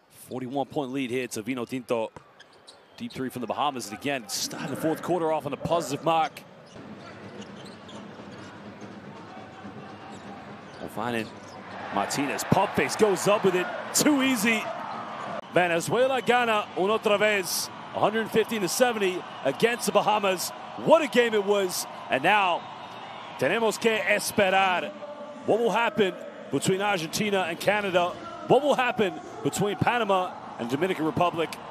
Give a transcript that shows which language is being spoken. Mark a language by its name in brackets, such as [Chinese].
[English] 41-point lead here to Vino Tinto. Deep three from the Bahamas, and again, starting the fourth quarter off on a positive mark. We'll find it. Martinez, pump face, goes up with it. Too easy. [Spanish] Venezuela gana una otra vez. 115-70 [English] against the Bahamas. What a game it was. And now, [Spanish] tenemos que esperar. [English] What will happen between Argentina and Canada? What will happen between Panama and Dominican Republic?